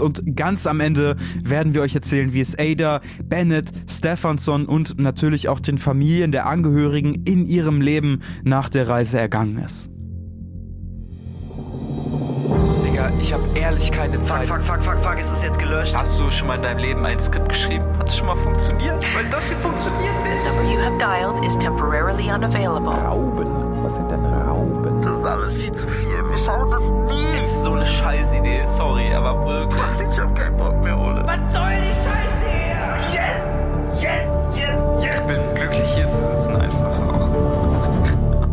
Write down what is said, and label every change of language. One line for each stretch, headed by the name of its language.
German: Und ganz am Ende werden wir euch erzählen, wie es Ada, Bennett, Stefansson und natürlich auch den Familien der Angehörigen in ihrem Leben nach der Reise ergangen ist. Digga, ich hab ehrlich keine Zeit. Fuck, ist es jetzt gelöscht? Hast du schon mal in deinem Leben ein Skript geschrieben? Hat es schon mal funktioniert? Weil das hier funktioniert nicht.
English: The number you have dialed is temporarily unavailable.
German: Rauben? Was sind denn Rauben? Das ist alles viel zu viel. Wir schauen das nie. So eine Scheißidee, sorry, aber wirklich. Ich hab keinen Bock mehr, Ole. Was soll die Scheiße hier?
English: Yes!
German: Ich bin glücklich, hier zu sitzen einfach auch.